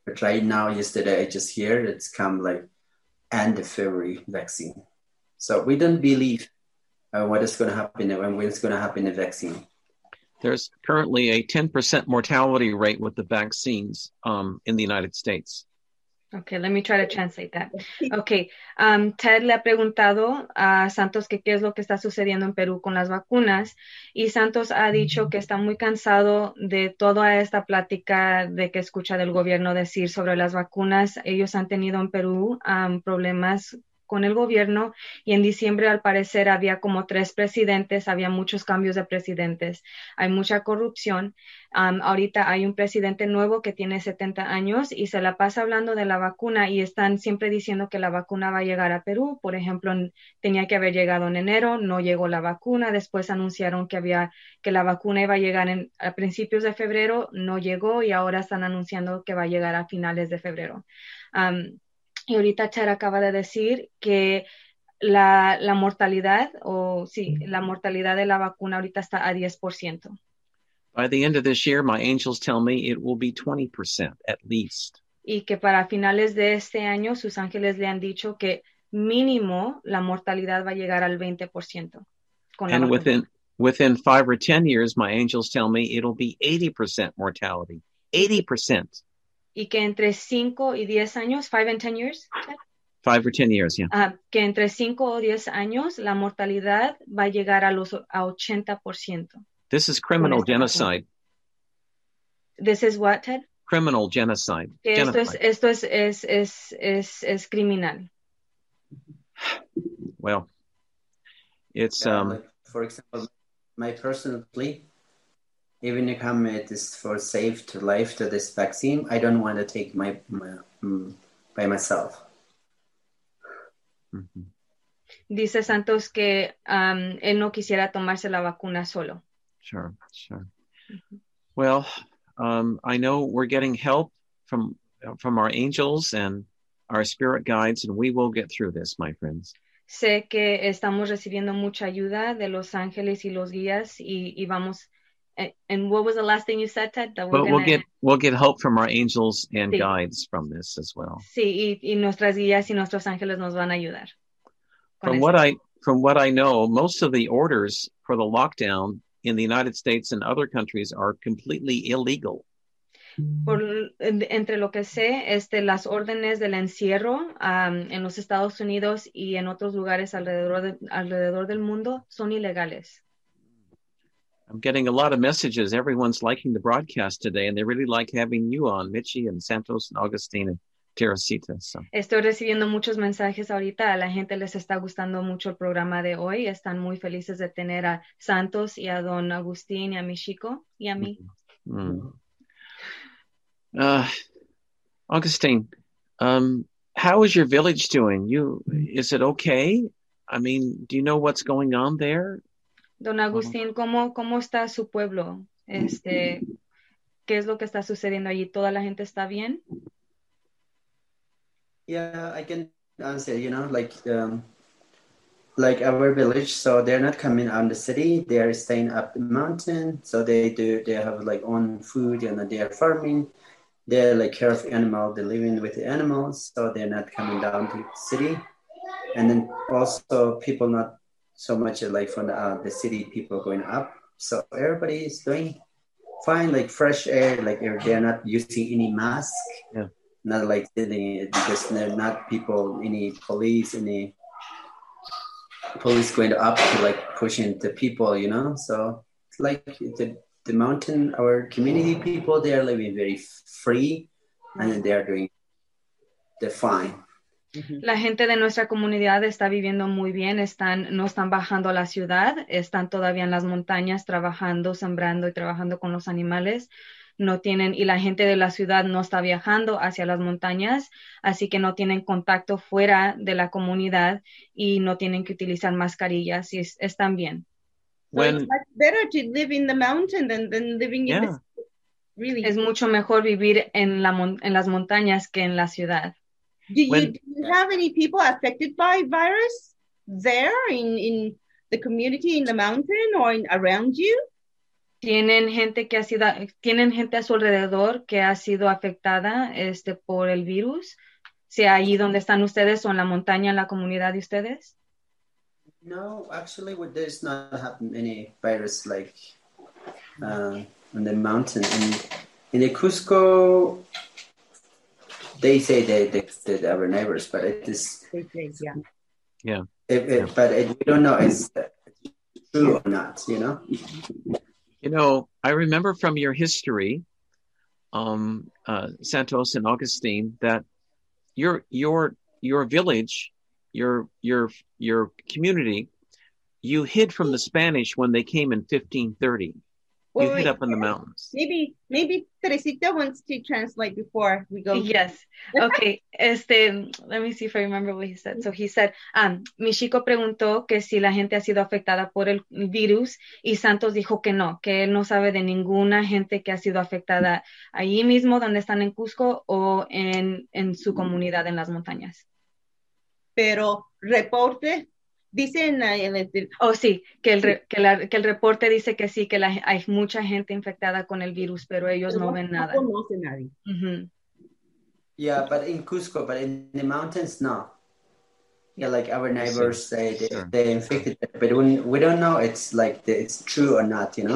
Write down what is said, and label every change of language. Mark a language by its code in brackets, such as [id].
[en] But right now, yesterday, I just hear it's come like end of February vaccine. So we don't believe what is going to happen and when it's going to happen the vaccine. There's currently a 10% mortality rate with the vaccines in the United States. Okay, let me try to translate that. [es] Okay, Ted le ha preguntado a Santos que qué es lo que está sucediendo en Perú con las vacunas, y Santos ha dicho que está muy cansado de toda esta plática de que escucha del gobierno decir sobre las vacunas. Ellos han tenido en Perú problemas con el gobierno, y en diciembre al parecer había como 3 presidentes, había muchos cambios de presidentes, hay mucha corrupción. Ahorita hay un presidente nuevo que tiene 70 años y se la pasa hablando de la vacuna, y están siempre diciendo que la vacuna va a llegar a Perú. Por ejemplo, tenía que haber llegado en enero, no llegó la vacuna. Después anunciaron que la vacuna iba a llegar a principios de febrero, no llegó, y ahora están anunciando que va a llegar a finales de febrero. Y ahorita Char acaba de decir que la mortalidad, la mortalidad de la vacuna ahorita está a 10%. [en] By the end of this year, my angels tell me it will be 20% at least. [es] Y que para finales de este año, sus ángeles le han dicho que mínimo la mortalidad va a llegar al 20%. [en] And within 5 or 10 years, my angels tell me it'll be 80% mortality. 80%. [es] Y que entre 5 y 10 años, [en] 5 and 10 years? 5 or 10 years, yeah. [es] Que entre 5 o 10 años, la mortalidad va a llegar a 80%. [en] This is criminal genocide. This is what, Ted? Criminal genocide. [es] Que esto es criminal. [en] Well, it's... For example, my personal plea, even if I'm at this for safe to life to this vaccine, I don't want to take by myself. [es] Dice Santos que él no quisiera tomarse la vacuna solo. [en] Sure, sure. Well, I know we're getting help from our angels and our spirit guides, and we will get through this, my friends. [es] Sé que estamos recibiendo mucha ayuda de los ángeles y los guías, y vamos. [en] And what was the last thing you said, Ted? We'll get help from our angels and sí. guides from this as well. [es] Sí, y nuestras guías y nuestros ángeles nos van a ayudar. [en] From what I know, most of the orders for the lockdown in the United States and other countries are completely illegal. [es] Entre lo que sé, las órdenes del encierro en los Estados Unidos y en otros lugares alrededor del mundo son ilegales. [en] I'm getting a lot of messages. Everyone's liking the broadcast today, and they really like having you on, Michi and Santos and Augustine and Teresita. So. [es] Estoy recibiendo muchos mensajes ahorita. La gente les está gustando mucho el programa de hoy. Están muy felices de tener a Santos y a Don Agustín y a Michiko y a mí. Mm-hmm. [en] Augustine, how is your village doing? Is it okay? I mean, do you know what's going on there? [es] Don Agustín, ¿cómo está su pueblo? ¿Qué es lo que está sucediendo allí? ¿Toda la gente está bien? [en] Yeah, I can answer, you know, like our village, so they're not coming out of the city, they are staying up the mountain, so they have like own food and they are farming. They're like care of animals, they're living with the animals, so they're not coming down to the city. And then also people not so much like from the city, people going up. So everybody is doing fine, like fresh air, like they're not using any mask. Yeah. Not like because they're not people, any police going up to like pushing the people, you know? So it's like the mountain, our community people, they are living very free and they are doing the fine. [es] La gente de nuestra comunidad está viviendo muy bien, no están bajando a la ciudad, están todavía en las montañas trabajando, sembrando y trabajando con los animales. No tienen, y la gente de la ciudad no está viajando hacia las montañas, así que no tienen contacto fuera de la comunidad y no tienen que utilizar mascarillas y están bien. [en] When, so it's better to live in the mountain than living in the city. Really. [es] Es mucho mejor vivir en las montañas que en la ciudad. [en] Do you have any people affected by virus there in the community in the mountain or around you? [es] Tienen gente a su alrededor que ha sido afectada por el virus? ¿Sea allí donde están ustedes o en la montaña en la comunidad de ustedes? [en] No, actually, there's not any virus like on the mountain. In the Cusco, they say that our neighbors, but it is. Yeah. But we don't know if it's true or not, you know? You know, I remember from your history, Santos and Augustine, that your village. Your community, you hid from the Spanish when they came in 1530. Hid up in the mountains. Maybe Teresita wants to translate before we go. Yes. Okay. Let me see if I remember what he said. So he said, [es] Michiko preguntó que si la gente ha sido afectada por el virus y Santos dijo que él no sabe de ninguna gente que ha sido afectada allí mismo donde están en Cusco o en su comunidad en las montañas. Pero reporte, dicen en el... Oh, sí, que el reporte dice que sí, que hay mucha gente infectada con el virus, pero ellos no ven nada. No conoce nadie. Uh-huh. [en] Yeah, but in Cusco, but in the mountains, no. Yeah, like our neighbors say they infected, but we don't know it's true or not, you know?